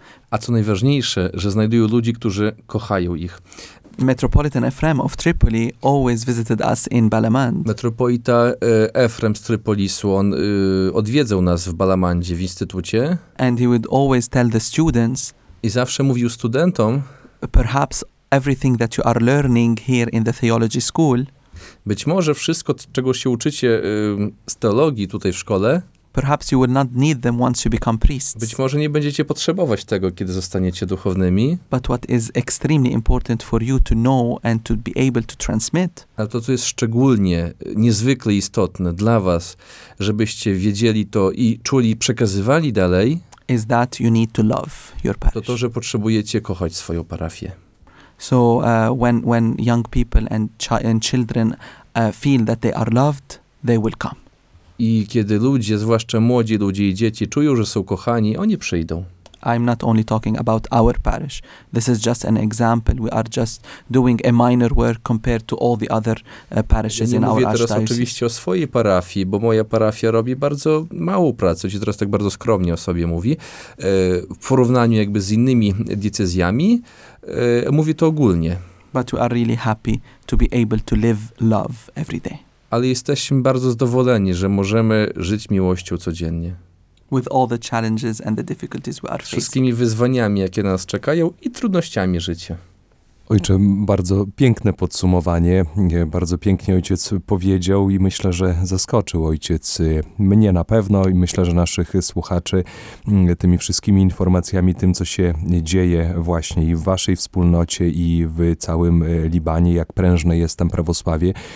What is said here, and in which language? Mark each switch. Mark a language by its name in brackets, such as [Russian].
[Polish] A co najważniejsze, że znajdują ludzi, którzy kochają ich. [English] Metropolitan Ephrem of Tripoli always visited us in Balamand. [Polish] Metropolita Ephrem z Tripolisu, on odwiedzał nas w Balamandzie, w instytucie. [English] And he would always tell the students. [Polish] I zawsze mówił studentom. [English] Perhaps everything that you are learning here in the theology school. [Polish] Być może wszystko, czego się uczycie z teologii tutaj w szkole. [English] Perhaps you will not need them once you become priests. [Polish] Być może nie będziecie potrzebować tego, kiedy zostaniecie duchownymi. [English] But what is extremely important for you to know and to be able to transmit. [Polish] Ale to, co jest szczególnie, niezwykle istotne dla was, żebyście wiedzieli to i czuli, przekazywali dalej. [English] Is that you need to love your parish. [Polish] To, że potrzebujecie kochać swoją parafię. [English] So when young people and children feel that they are loved, they will come. [Polish] I kiedy ludzie, zwłaszcza młodzi ludzie i dzieci, czują, że są kochani, oni przyjdą. [English] I'm not only talking about our parish. This is just an example. We are just doing a minor work compared to all the other parishes [Polish] ja [English] in our archdiocese. [Polish] Mówię teraz oczywiście o swojej parafii, bo moja parafia robi bardzo małą pracę. Ci teraz tak bardzo skromnie o sobie mówi. W porównaniu jakby z innymi diecezjami, mówię to ogólnie. [English] But we are really happy to be able to live love every day. [Polish] Ale jesteśmy bardzo zadowoleni, że możemy żyć miłością codziennie. [English] With all the challenges and the difficulties we are facing. [Polish] Wszystkimi wyzwaniami, jakie nas czekają i trudnościami życia. Ojcze, bardzo piękne podsumowanie, bardzo pięknie ojciec powiedział i myślę, że zaskoczył ojciec mnie na pewno i myślę, że naszych słuchaczy tymi wszystkimi informacjami, tym co się dzieje właśnie i w waszej wspólnocie i w całym Libanie, jak prężne jest tam prawosławie.